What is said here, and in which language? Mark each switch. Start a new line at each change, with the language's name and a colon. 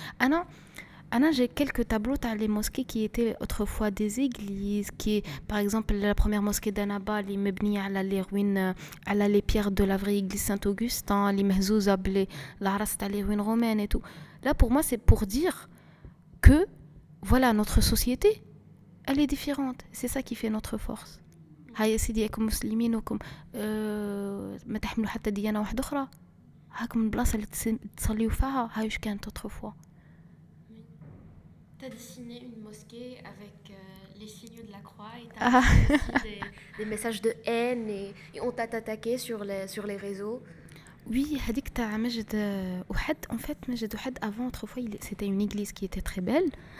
French: Anna, j'ai quelques tableaux. Tu as les mosquées qui étaient autrefois des églises, qui est, par exemple, la première mosquée d'Annaba, les mebnis, les ruines, les pierres de la vraie église Saint-Augustin, les mehzouza, les ruines romaines et tout. Là, pour moi, c'est pour dire que, voilà, notre société, elle est différente. C'est ça qui fait notre force.
Arabic: هاي سيديكم مسلمين وكم ما تحملوا حتى ديانة واحدة أخرى هاكم البلاصة اللي تصليوا فيها هاي وش كانت autrefois.
French: T'as dessiné une mosquée avec les signes de la croix et t'as des messages de haine et on t'a attaqué sur les réseaux. Oui,
Arabic: هاديك تاع مسجد واحد
French: en fait
Arabic: مسجد واحد
French: avant autrefois c'était une église qui était très belle.